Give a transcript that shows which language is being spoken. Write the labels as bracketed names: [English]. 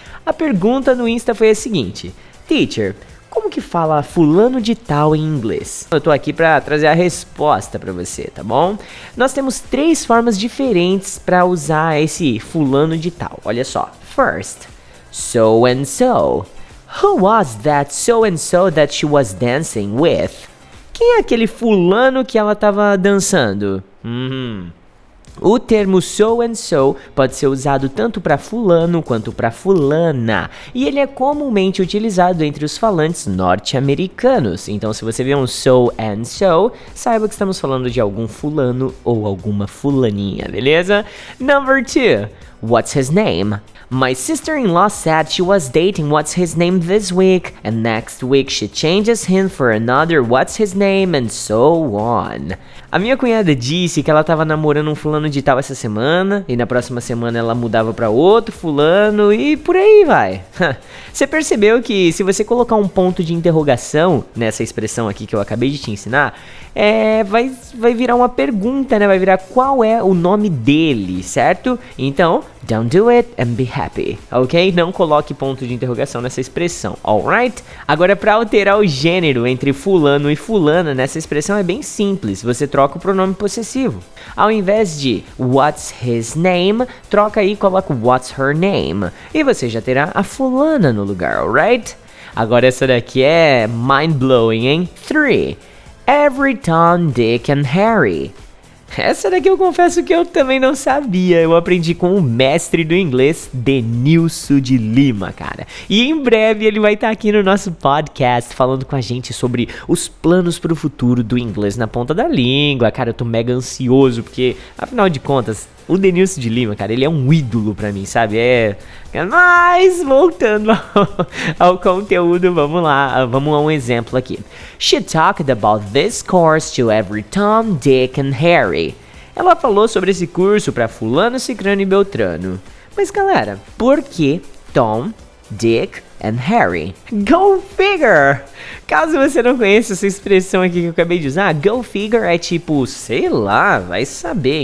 [Portuguese] A pergunta no Insta foi a seguinte: Teacher, como que fala fulano de tal em inglês? Eu tô aqui pra trazer a resposta pra você, tá bom? Nós temos três formas diferentes pra usar esse fulano de tal, olha só. [English] First, so and so. Who was that so and so that she was dancing with? [Portuguese] Quem é aquele fulano que ela tava dançando? O termo so and so pode ser usado tanto para fulano quanto para fulana, e ele é comumente utilizado entre os falantes norte-americanos. Então, se você vê um so and so, saiba que estamos falando de algum fulano ou alguma fulaninha, beleza? [English] Number 2. What's his name? My sister-in-law said she was dating what's his name this week, and next week she changes him for another what's his name, and so on. [Portuguese] A minha cunhada disse que ela tava namorando um fulano de tal essa semana, e na próxima semana ela mudava pra outro fulano, e por aí vai. Você percebeu que se você colocar um ponto de interrogação nessa expressão aqui que eu acabei de te ensinar, vai virar uma pergunta, né? Vai virar qual é o nome dele, certo? [English] Então, don't do it and be happy, ok? [Portuguese] Não coloque ponto de interrogação nessa expressão, alright? Agora, pra alterar o gênero entre fulano e fulana, nessa expressão é bem simples. Você troca o pronome possessivo. Ao invés de what's his name, troca aí e coloca what's her name. E você já terá a fulana no lugar, alright? Agora essa daqui é mind-blowing, hein? 3. [English] Every Tom, Dick and Harry. [Portuguese] Essa daqui eu confesso que eu também não sabia. Eu aprendi com o mestre do inglês, Denilson de Lima, cara. E em breve ele vai estar aqui no nosso podcast falando com a gente sobre os planos pro futuro do inglês na ponta da língua. Cara, eu tô mega ansioso porque, afinal de contas, o Denilson de Lima, cara, ele é um ídolo pra mim, sabe? Mas, voltando ao conteúdo, vamos a um exemplo aqui. [English] She talked about this course to every Tom, Dick and Harry. [Portuguese] Ela falou sobre esse curso pra fulano, cicrano e beltrano. Mas, galera, por que Tom, Dick and Harry? [English] Go figure! [Portuguese] Caso você não conheça essa expressão aqui que eu acabei de usar, go figure é tipo, sei lá, vai saber.